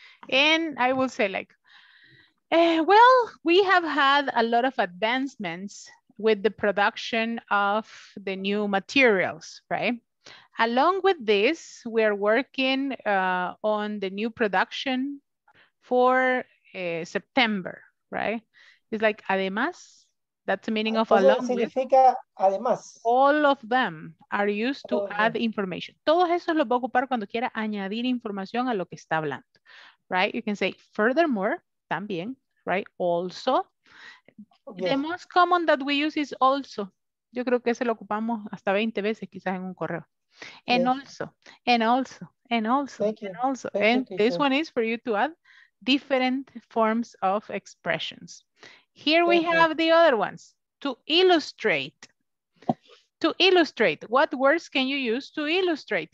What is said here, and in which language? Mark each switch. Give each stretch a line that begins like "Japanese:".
English: And I will say like, well, we have had a lot of advancements with the production of the new materials, right? Along with this, we are working on the new production for September, right? It's like, además, that's the meaning of along
Spanish: significa
English: with.
Spanish: Además.
English: All of them are used to add information.
Spanish: Todos esos los va a ocupar cuando quiera añadir información a lo que está hablando, right?
English: You can say, furthermore, también, right? Also. Yes. The most common that we use is also.
Spanish: Yo creo que ese lo ocupamos hasta 20 veces quizás en un correo.
English: And yes. Also, and also, and also, and also. Thank and you, this teacher. One is for you to add different forms of expressions. Here we have the other ones. To illustrate, what words can you use to illustrate?